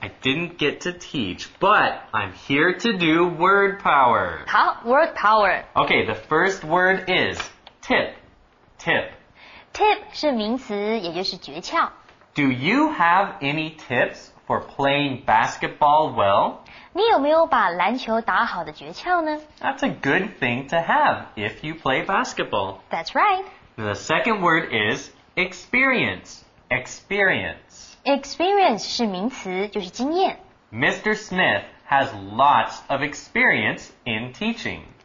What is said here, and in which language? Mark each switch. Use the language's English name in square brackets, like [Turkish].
[English] I didn't get to teach, but I'm here to do word power. How? Word power. Okay, the first word is tip. Tip. [Chinese] Tip 是名词，也就是诀窍。 [English] Do you have any tips for playing basketball well? [Chinese] 你有没有把篮球打好的诀窍呢？ [English] That's a good thing to have if you play basketball. That's right. The second word is experience. Experience. [Chinese] Experience 是名词，就是经验。 [English] Mr. Smith has lots of experience in teaching.